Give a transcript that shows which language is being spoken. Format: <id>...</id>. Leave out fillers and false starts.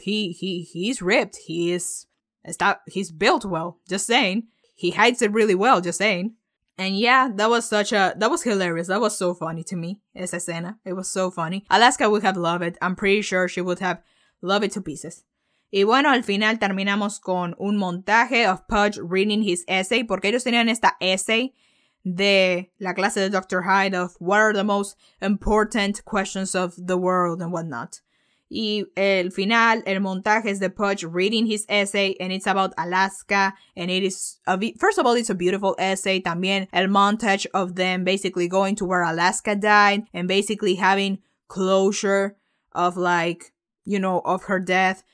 <en>He's ripped. He's built well, just saying. He hides it really well, just saying. And yeah, that was hilarious. That was so funny to me,</en> <es>esa escena.</es> <en>It was so funny. Alaska would have loved it. I'm pretty sure she would have loved it to pieces.</en> <es>Y bueno, al final terminamos con un montaje</es> <en>of Pudge reading his essay,</en> <es>porque ellos tenían esta essay de la clase de Dr.</es> <en>Hyde of what are the most important questions of the world and whatnot.</en> <es>Y el final, el montaje es de Pudge</es> <en>reading his essay, and it's about Alaska, and it is, first of all, it's a beautiful essay.</en> <es>También el</es> <en>montage of them basically going to where Alaska died and basically having closure of, like, you know, of her death.</en>